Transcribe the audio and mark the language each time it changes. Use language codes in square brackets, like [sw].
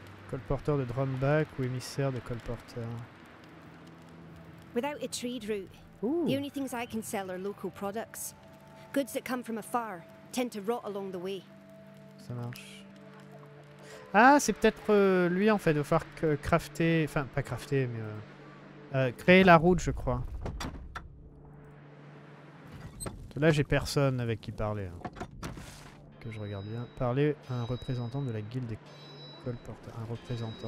[fr] Colporteur de Drumback ou émissaire de colporteur. [en] Without a trade route, the only things I can sell are local products. Goods that come from afar tend to rot along the way. [fr] Ça marche. Ah, c'est peut-être lui en fait. Il va falloir crafter. Enfin, pas crafter, mais. Créer la route, je crois. Là, j'ai personne avec qui parler. Hein. Que je regarde bien. Parler à un représentant de la guilde des colporteurs. Un représentant.